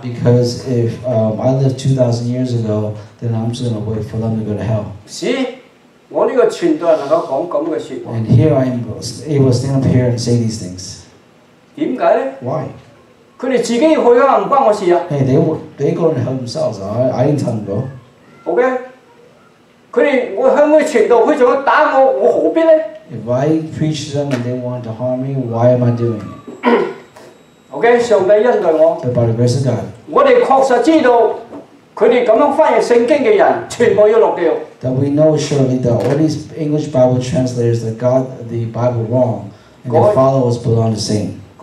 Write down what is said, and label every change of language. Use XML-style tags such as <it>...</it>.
<en>Because if I lived 2,000 years ago, then I'm just gonna wait for them to go to hell.</en> <yue>是，我呢個傳道人能夠講咁嘅説話。</yue> <en>And here I am, able to stand up here and say these things.</en> <yue>點解咧？</yue> <en>Why?</en> <yue>佢哋自己去啦，唔關我事啊。</yue> <en>Hey, they go and help themselves. I didn't tell them go. Okay.</en> <yue>佢哋我向佢傳道，佢仲要打我，我何必咧？</yue> <en>If I preach them and they want to harm me, why am I doing it?</en> <yue>Okay, 上帝恩待我。</yue> <en>But by the grace of God.</en> <yue>我哋確實知道，佢哋咁樣翻譯聖經嘅人，全部要落地獄。</yue> <en>That we know surely that all these English Bible translators that got the Bible wrong, and their followers put on the same.</en>